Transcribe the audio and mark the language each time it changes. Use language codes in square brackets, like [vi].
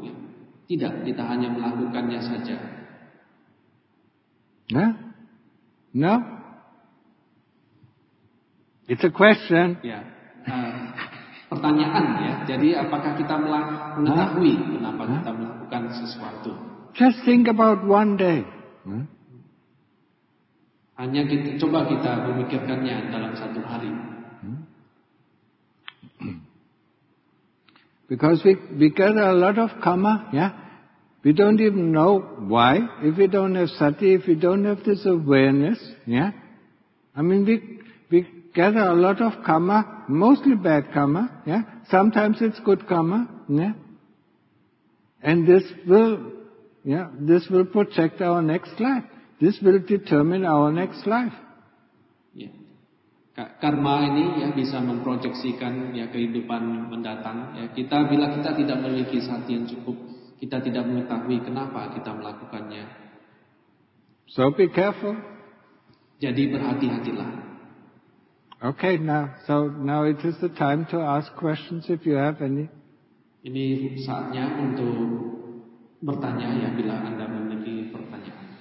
[id] Ya, tidak, kita hanya melakukannya saja. [en] No? It's a question. [id] Ya, pertanyaan, ya. Jadi apakah kita mengetahui kenapa kita melakukan sesuatu? [en] Just think about one day. [id] Hanya kita coba kita memikirkannya dalam satu hari. [en] Because we get a lot of karma, yeah. We don't even know why. If we don't have sati, if we don't have this awareness, yeah. I mean we get a lot of karma, mostly bad karma, yeah. Sometimes it's good karma, yeah. And this will, yeah, this will protect our next life. This will determine our next life. [id] Ya. Karma ini ya bisa memproyeksikan ya kehidupan mendatang. Ya, kita bila kita tidak memiliki sati yang cukup, kita tidak mengetahui kenapa kita melakukannya. [en] So be careful. [id] Jadi berhati-hatilah. [en] Okay, now it is the time to ask questions if you have any. [id] Ini saatnya untuk bertanya ya bila Anda memiliki pertanyaan.